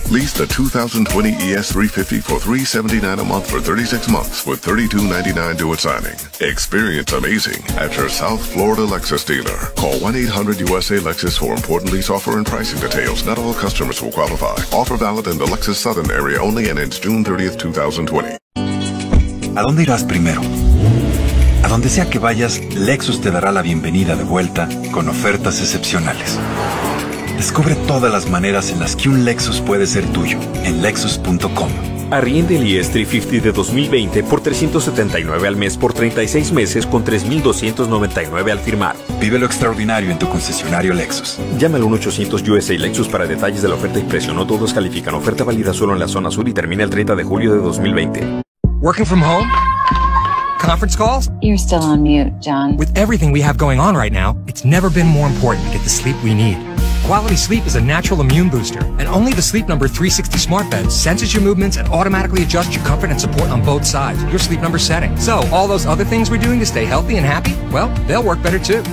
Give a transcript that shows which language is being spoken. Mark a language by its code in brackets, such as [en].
[en] Lease the 2020 ES350 for $379 a month for 36 months with $3,299 due at signing. Experience amazing at your South Florida Lexus dealer. Call 1-800-USA-LEXUS for important lease offer and pricing details. Not all customers will qualify. Offer valid in the Lexus Southern area only and ends June 30th, 2020. [es] ¿A dónde irás primero? A donde sea que vayas, Lexus te dará la bienvenida de vuelta con ofertas excepcionales. Descubre todas las maneras en las que un Lexus puede ser tuyo en Lexus.com. Arriende el ES350 de 2020 por $379 al mes por 36 meses con $3,299 al firmar. Vive lo extraordinario en tu concesionario Lexus. Llama al 1-800-USA-LEXUS para detalles de la oferta y precio. No todos califican. Oferta válida solo en la zona sur y termina el 30 de julio de 2020. [en] Working from home? Conference calls? You're still on mute, John. With everything we have going on right now, it's never been more important to get the sleep we need. Quality Sleep is a natural immune booster, and only the Sleep Number 360 smart bed senses your movements and automatically adjusts your comfort and support on both sides, your Sleep Number setting. So all those other things we're doing to stay healthy and happy, well, they'll work better too.